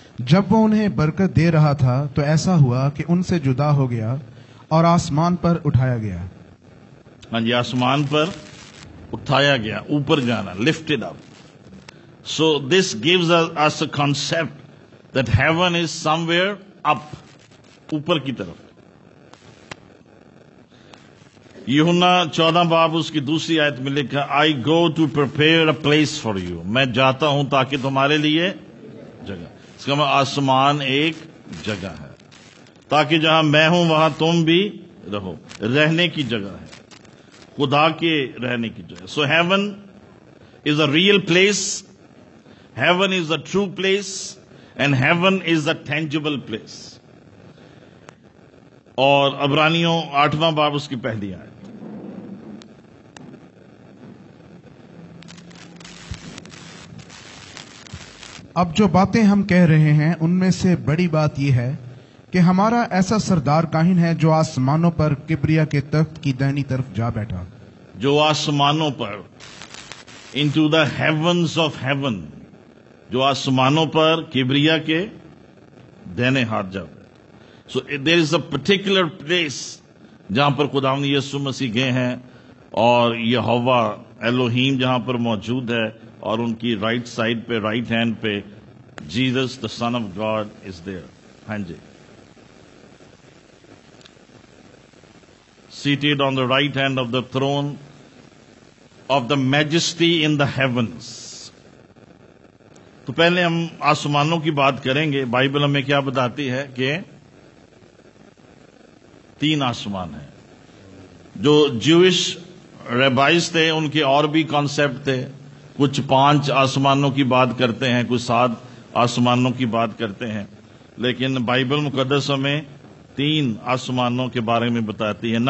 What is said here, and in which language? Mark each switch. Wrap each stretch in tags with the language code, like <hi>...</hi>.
<ur>جب وہ انہیں برکت دے رہا تھا تو ایسا ہوا کہ ان سے جدا ہو گیا اور آسمان پر اٹھایا گیا. ہاں جی, آسمان پر اٹھایا گیا, اوپر جانا,</ur> <en>lifted up. So this gives us a concept that heaven is somewhere up,</en> <ur>اوپر کی طرف. یوحنا 14 اس کی دوسری آیت میں لکھا,</ur> <en>I go to prepare a place for you,</en> <ur>میں جاتا ہوں تاکہ تمہارے لیے جگہ. اس کا آسمان ایک جگہ ہے, تاکہ جہاں میں ہوں وہاں تم بھی رہو. رہنے کی جگہ ہے, خدا کے رہنے کی جگہ.</ur> <en>So heaven is a real place, heaven is a true place, and heaven is a tangible place.</en> <ur>اور عبرانیوں 8 اس کی پہلی آئے, اب جو باتیں ہم کہہ رہے ہیں ان میں سے بڑی بات یہ ہے کہ ہمارا ایسا سردار کاہن ہے جو آسمانوں پر کبریا کے تخت کی دہنی طرف جا بیٹھا. جو آسمانوں پر,</ur> <en>into the heavens of heaven,</en> <ur>جو آسمانوں پر کبریا کے دہنے ہاتھ جا بیٹھا.</ur> <en>so there is a particular place</en> <ur>جہاں پر خداوند یسوع مسیح گئے ہیں, اور یہوہ ایلوہیم جہاں پر موجود ہے, اور ان کی رائٹ سائڈ پہ, رائٹ ہینڈ پہ</ur> <en>Jesus the son of God is there.</en> <ur>ہاں جی,</ur> <en>Seated on the right hand of the throne of the majesty in the heavens.</en> <ur>تو پہلے ہم آسمانوں کی بات کریں گے. بائبل ہمیں کیا بتاتی ہے کہ 3 ہیں. جو جیوش ریبائز تھے ان کے اور بھی کانسیپٹ تھے, کچھ 5 کی بات کرتے ہیں, کچھ 7 کی بات کرتے ہیں, لیکن بائبل مقدس ہمیں 3 کے بارے میں بتاتی ہے.</ur>